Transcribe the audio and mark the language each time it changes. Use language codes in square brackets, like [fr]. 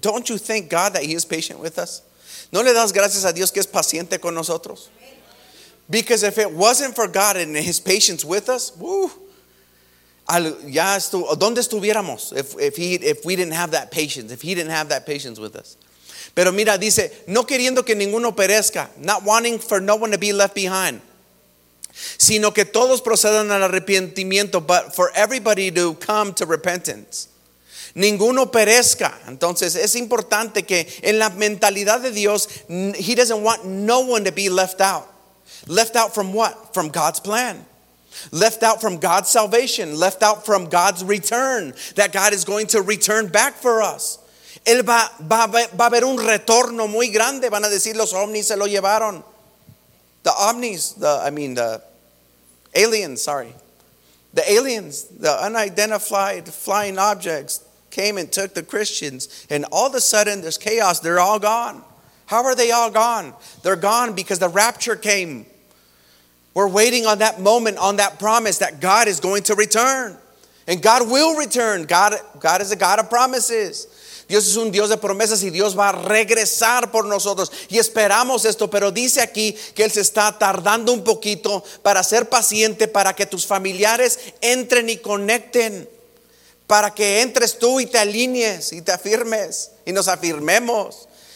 [en] Don't you thank God that He is patient with us? [es] ¿No le das gracias a Dios que es paciente con nosotros? [en] Because if it wasn't for God and His patience with us, [es] ¿dónde estuviéramos? [en] If we didn't have that patience, if He didn't have that patience with us. [es] Pero mira, dice, no queriendo que ninguno perezca, [en] not wanting for no one to be left behind, [es] sino que todos procedan al arrepentimiento, [en] but for everybody to come to repentance. [es] Ninguno perezca. Entonces es importante que en la mentalidad de Dios, [en] He doesn't want no one to be left out. Left out from what? From God's plan. Left out from God's salvation. Left out from God's return. That God is going to return back for us. [es] Él va a haber un retorno muy grande. Van a decir los ovnis se lo llevaron. [en] The aliens, the unidentified flying objects, came and took the Christians, and all of a sudden there's chaos. They're all gone. How are they all gone? They're gone because the rapture came. We're waiting on that moment, on that promise that God is going to return. And God will return. God is a God of promises. [es] Dios es un Dios de promesas, y Dios va a regresar por nosotros. Y esperamos esto, pero dice aquí que Él se está tardando un poquito para ser paciente, para que tus familiares entren y conecten. Para que entres tú y te alinees y te afirmes y nos afirmemos.